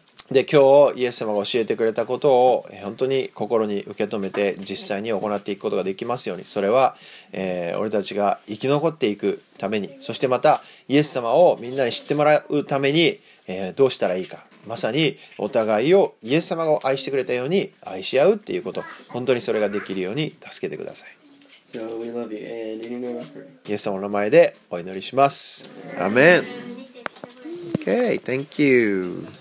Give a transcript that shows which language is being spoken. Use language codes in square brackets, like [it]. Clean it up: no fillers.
[ja] で、今日イエス様が教えてくれたことを本当に心に受け止めて実際に行っていくことができますように。それは、俺たちが生き残っていくために、そしてまたイエス様をみんなに知ってもらうために、どうしたらいいか、まさにお互いをイエス様が愛してくれたように愛し合うっていうこと、本当にそれができるように助けてください。 [en] So we love you and in your name I pray. [ja] イエス様の名前でお祈りします。アメン。 [en] OK, thank you.